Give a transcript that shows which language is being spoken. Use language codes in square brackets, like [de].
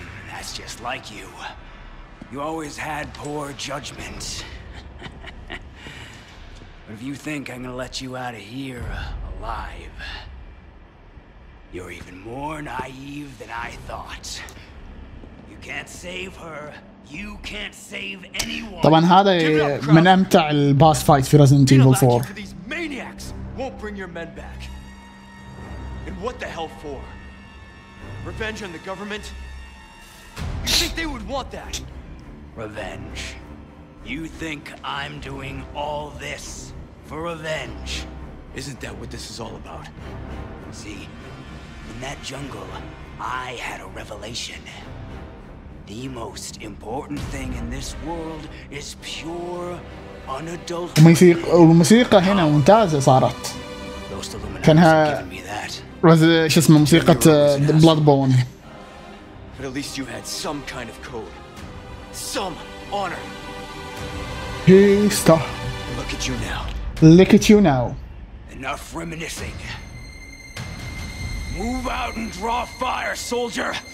[en] That's just like you. You always had poor judgment. But if you think I'm gonna let you out of here alive, you're even more naive than I thought. You can't save her. You can't save anyone. [ar] طبعا هذا من امتع الباس فايت في Resident Evil 4. [en] These maniacs won't bring your men back. And what the hell for? Revenge on the government? You think they would want that? Revenge. You think I'm doing all this for revenge? Isn't that what this is all about? See, in that jungle, I had a revelation. The most important thing in this world is pure, unadulterated. [ar] والموسيقى هنا ممتازة صارت. كانها شو اسمه موسيقى Bloodborne. [en] But at least you had some kind of code. Some honor. Hista. Look at you now. Look at you now. Enough reminiscing. Move out and draw fire, soldier.